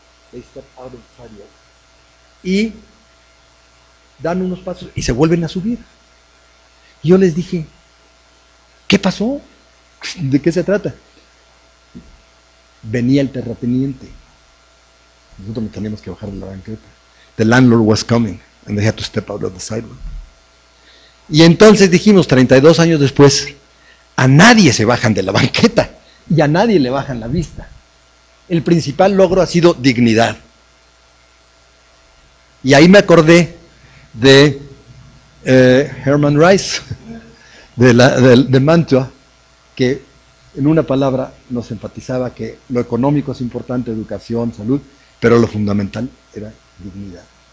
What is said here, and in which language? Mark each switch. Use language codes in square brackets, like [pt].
[en] They step out of the sidewalk. [es] Y dan unos pasos y se vuelven a subir. Y yo les dije, ¿qué pasó? ¿De qué se trata? Venía el terrateniente. Nosotros nos teníamos que bajar de la banqueta. [en] The landlord was coming and they had to step out of the sidewalk. [es] Y entonces dijimos, 32 años después, a nadie se bajan de la banqueta y a nadie le bajan la vista. El principal logro ha sido dignidad. Y ahí me acordé de Herman Rice, de Mantua, que en una palabra nos enfatizaba que lo económico es importante, educación, salud, pero lo fundamental era dignidad.